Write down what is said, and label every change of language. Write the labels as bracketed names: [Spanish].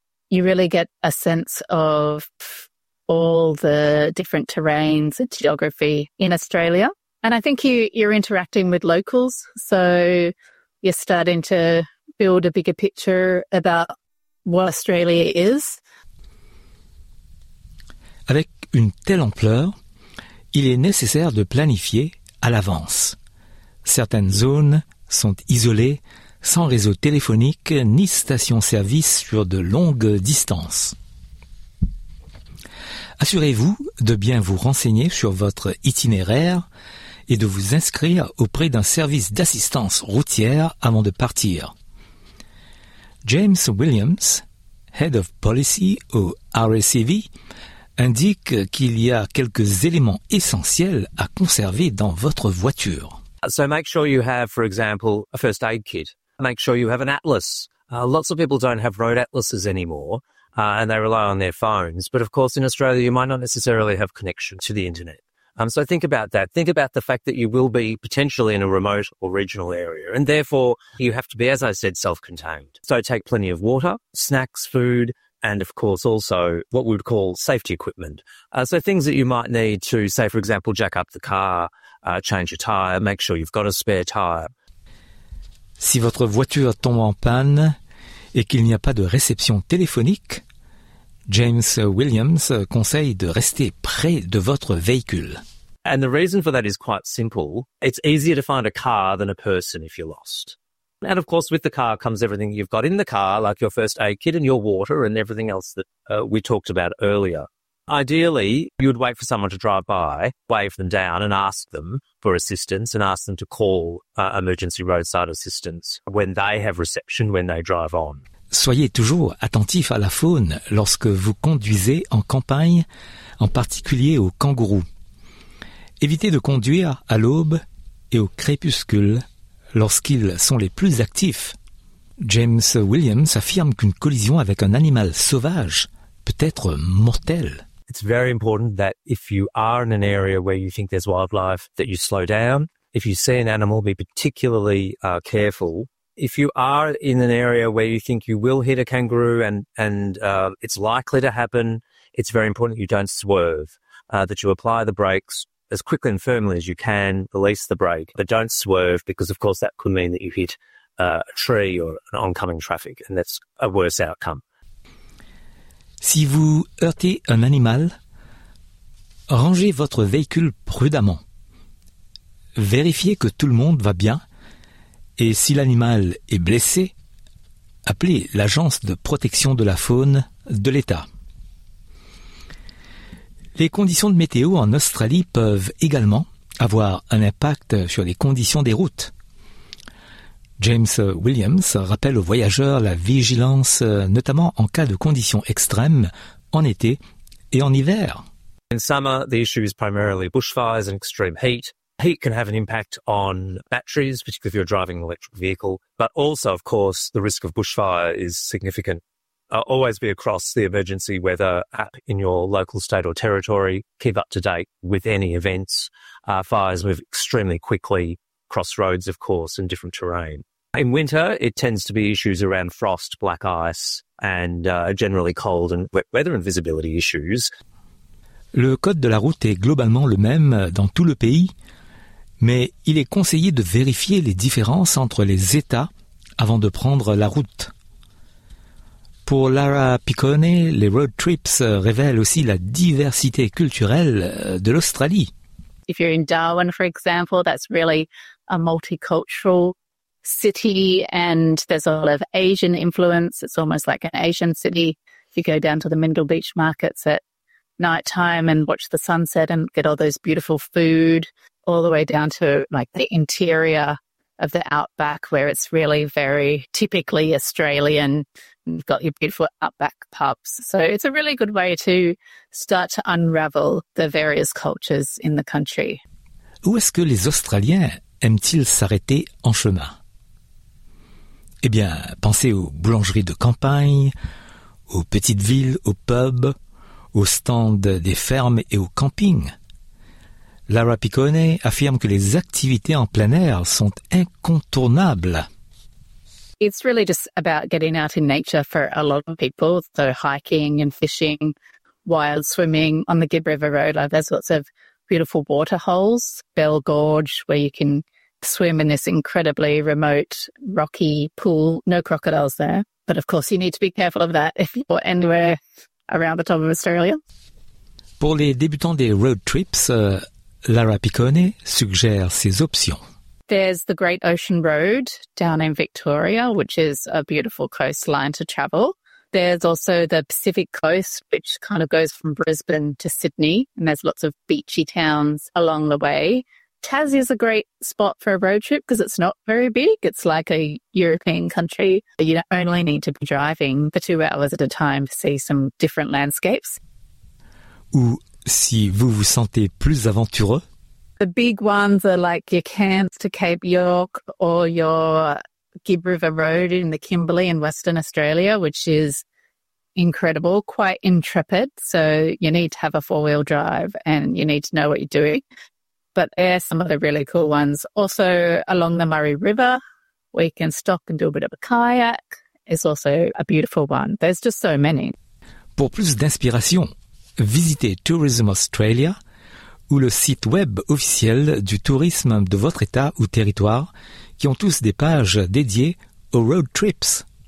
[English] You really get a sense of all the different terrains and geography in Australia. And I think you're interacting with locals, so you're starting to build a bigger picture about what Australia is. [French] Avec une telle ampleur, il est nécessaire de planifier à l'avance. Certaines zones sont isolées, sans réseau téléphonique ni station-service sur de longues distances. Assurez-vous de bien vous renseigner sur votre itinéraire et de vous inscrire auprès d'un service d'assistance routière avant de partir. James Williams, [English] Head of Policy [French] au RACV, indique qu'il y a quelques éléments essentiels à conserver dans votre voiture. [English] So make sure you have, for example, a first aid kit. Make sure you have an atlas. Lots of people don't have road atlases anymore, and they rely on their phones. But of course, in Australia, you might not necessarily have connection to the internet. So think about that. Think about the fact that you will be potentially in a remote or regional area, and therefore you have to be, as I said, self-contained. So take plenty of water, snacks, food, and of course also what we would call safety equipment. So things that you might need to, say, for example, jack up the car, change your tire, make sure you've got a spare tire. [French] Si votre voiture tombe en panne et qu'il n'y a pas de réception téléphonique, James Williams conseille de rester près de votre véhicule. [English] And the reason for that is quite simple. It's easier to find a car than a person if you're lost. And of course, with the car comes everything you've got in the car, like your first aid kit and your water and everything else that we talked about earlier. Ideally, you would wait for someone to drive by, wave them down and ask them for assistance and ask them to call emergency roadside assistance when they have reception, when they drive on. [French] Soyez toujours attentif à la faune lorsque vous conduisez en campagne, en particulier aux kangourous. Évitez de conduire à l'aube et au crépuscule lorsqu'ils sont les plus actifs. James Williams affirme qu'une collision avec un animal sauvage peut être mortelle. [English] It's very important that if you are in an area where you think there's wildlife, that you slow down. If you see an animal, be particularly careful. If you are in an area where you think you will hit a kangaroo and it's likely to happen, it's very important that you don't swerve, that you apply the brakes as quickly and firmly as you can, release the brake, but don't swerve because, of course, that could mean that you hit a tree or an oncoming traffic, and that's a worse outcome. [French] Si vous heurtez un animal, rangez votre véhicule prudemment. Vérifiez que tout le monde va bien. Et si l'animal est blessé, appelez l'Agence de protection de la faune de l'État. Les conditions de météo en Australie peuvent également avoir un impact sur les conditions des routes. James Williams rappelle aux voyageurs la vigilance, notamment en cas de conditions extrêmes, en été et en hiver. [English] In summer, the issue is primarily bushfires and extreme heat. Heat can have an impact on batteries, particularly if you're driving an electric vehicle. But also, of course, the risk of bushfire is significant. Always be across the emergency weather app in your local state or territory. Keep up to date with any events. Fires move extremely quickly. Crossroads, of course, and different terrain. In winter, it tends to be issues around frost, black ice, and generally cold and wet weather and visibility issues. [French] Le code de la route est globalement le même dans tout le pays, mais il est conseillé de vérifier les différences entre les États avant de prendre la route. Pour Lara Piccone, les road trips révèlent aussi la diversité culturelle de l'Australie. [English] If you're in Darwin, for example, that's really a multicultural city and there's a lot of Asian influence. It's almost like an Asian city. You go down to the Mindle Beach markets at nighttime and watch the sunset and get all those beautiful food, all the way down to like the interior of the outback where it's really very typically Australian. You've got your beautiful outback pubs. So it's a really good way to start to unravel the various cultures in the country. [French] Où est-ce que les Australiens aiment-ils s'arrêter en chemin? Eh bien, pensez aux boulangeries de campagne, aux petites villes, aux pubs, aux stands des fermes et aux campings. Lara Piccone affirme que les activités en plein air sont incontournables. [English] It's really just about getting out in nature for a lot of people, so hiking and fishing, wild swimming on the Gibb River Road. Like, there's lots of beautiful water holes, Bell Gorge, where you can swim in this incredibly remote, rocky pool. No crocodiles there. But of course, you need to be careful of that if you're anywhere around the top of Australia. [French] Pour les débutants des road trips, Lara Piccone suggère ses options. [English] There's the Great Ocean Road down in Victoria, which is a beautiful coastline to travel. There's also the Pacific Coast, which kind of goes from Brisbane to Sydney, and there's lots of beachy towns along the way. Tassie is a great spot for a road trip because it's not very big. It's like a European country. You only need to be driving for 2 hours at a time to see some different landscapes. [French] Ou si vous vous sentez plus aventureux. [English] The big ones are like your Cairns to Cape York or your Gibb River Road in the Kimberley in Western Australia, which is incredible, quite intrepid. So you need to have a four-wheel drive and you need to know what you're doing. But they're some of the really cool ones. Also along the Murray River, where you can stop and do a bit of a kayak, is also a beautiful one. There's just so many. [French] Pour plus d'inspiration, visitez Tourism Australia ou le site web officiel du tourisme de votre état ou territoire, qui ont tous des pages dédiées aux road trips.